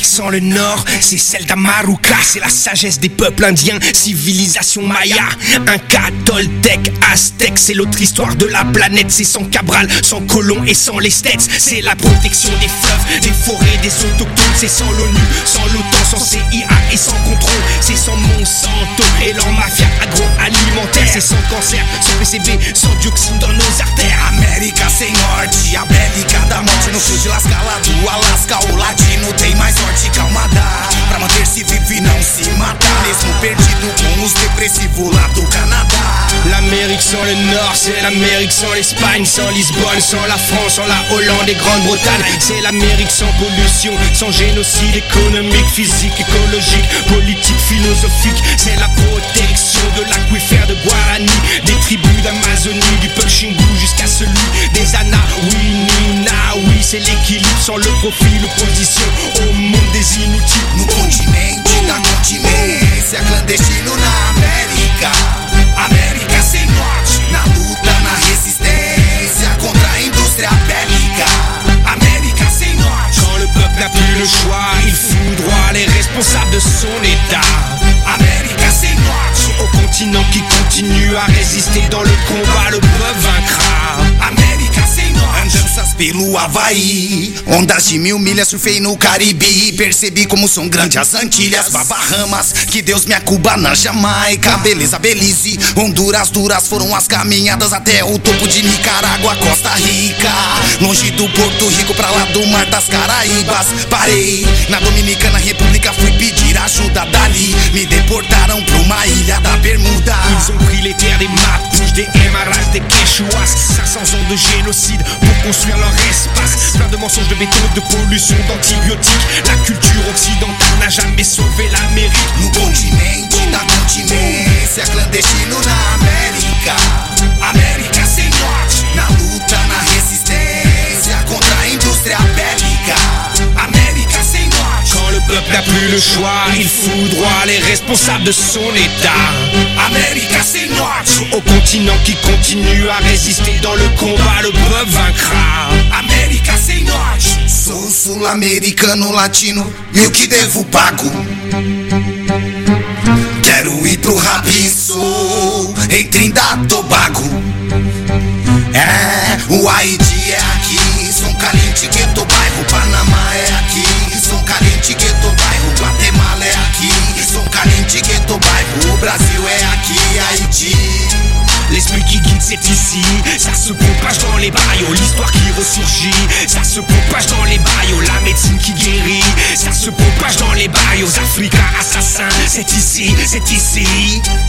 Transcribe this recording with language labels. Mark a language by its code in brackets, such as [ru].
[fr] le nord, c'est celle d'Amaruca, c'est la sagesse des peuples indiens, civilisation maya, Inca, Toltec, Aztec, c'est l'autre histoire de la planète, c'est sans Cabral, sans Colomb et sans les Stets, c'est la protection des fleuves, des forêts, des autochtones, c'est sans l'ONU, sans l'OTAN, sans CIA et sans contrôle, c'est sans Monsanto et leur mafia agroalimentaire, c'est sans cancer, sans PCB, sans dioxine dans nos artères. [pt] América sem norte, América da morte, no sul de Las Galas do Alasca, o latino tem mais sorte. Calma dá, pra manter-se vivo e não se matar. Mesmo perdido com os depressivos lá do Canadá. [fr] L'Amérique sans le Nord, c'est l'Amérique sans l'Espagne, sans Lisbonne, sans la France, sans la Hollande et Grande-Bretagne. C'est l'Amérique sans pollution, sans génocide économique, physique, écologique, politique, philosophique. C'est la protection de l'aquifère de Guarani, des tribus d'Amazonie, du peuple Xingu jusqu'à celui des Anahuinina. Oui, c'est l'équilibre sans le profit, l'opposition au monde des inutiles. [pt] No continente, na continência, clandestino na América. América sem norte, na luta, na resistência contra a indústria bélica. América sem norte, [fr] quand le peuple n'a plus le choix, il foudroie les responsables de son état. [pt] América sem norte, [fr] au continent qui continue à résister dans le combat, le peuple vaincra. [pt] América sem norte, andanças pelo Havaí, ondas de mil milhas, surfei no Caribe e percebi como são grandes as Antilhas. Bahamas, que Deus me acuba na Jamaica. Beleza, Belize, Honduras, duras foram as caminhadas até o topo de Nicarágua, Costa Rica. Longe do Porto Rico, pra lá do Mar das Caraíbas. Parei na Dominicana República, fui pedir ajuda dali. Me deportaram pra uma ilha da Bermuda. [fr] Ils ont pris les terres des Mapuches, des Aymaras, des Quechuas. 500 ans de génocide pour construire leur espace. Plein de mensonges, de béton, de pollution, d'antibiotiques. La culture occidentale n'a jamais sauvé l'Amérique. [pt] No continente, na continência, clandestino na América. América sem norte, na luta, na resistência contra a indústria bélica. América sem norte, [fr] quand le peuple n'a plus plus le choix, il foudroie les responsables de son état. America c'est notre, au continent qui continue à résister dans le combat, le peuple vaincra. America c'est notre, [pt] sou sul-americano latino, e o que devo pago? Quero ir pro rabisco, em Trindade Tobago. É, o Haiti é aqui, São Caliente, Gueto, bairro, Panamá é aqui. São Caliente, Gueto, bairro, Guatemala é aqui. São Caliente, Gueto, bairro, o Brasil é aqui, Haiti. [fr] L'esprit qui guide c'est ici, ça se propage dans les barrios. L'histoire qui ressurgit, ça se propage dans les barrios. La médecine qui guérit, ça se propage dans les barrios. Africa assassin, c'est ici, c'est ici.